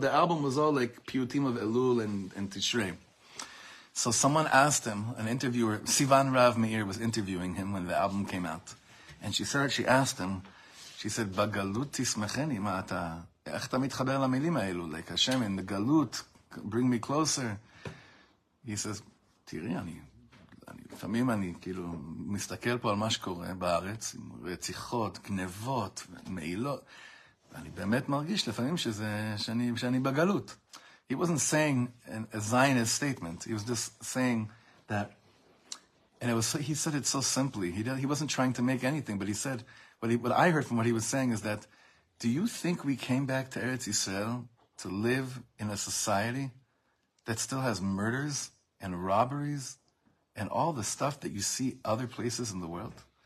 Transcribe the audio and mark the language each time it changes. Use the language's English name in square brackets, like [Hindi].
[English] The album was all like Piyutim of Elul and Tishrei. So someone asked him, an interviewer, Sivan Rav Meir was interviewing him when the album came out. And she said, she asked him, she said, [Hebrew] Bagalut Tismecheni, ma'ata, איך אתה מתחבר למילים האלו? [English] Like Hashem in the galut, bring me closer. He says, [Hebrew] תראי, אני לפעמים אני כאילו מסתכל פה על מה שקורה בארץ, עם רציחות, גנבות, מעילות. אני באמת מרגיש לפעמים שזה, שאני בגלות. [English] He wasn't saying a Zionist statement. He was just saying that, and it was, he said it so simply. He wasn't trying to make anything, but he said, what I heard from what he was saying is that, do you think we came back to Eretz Yisrael to live in a society that still has murders and robberies and all the stuff that you see other places in the world?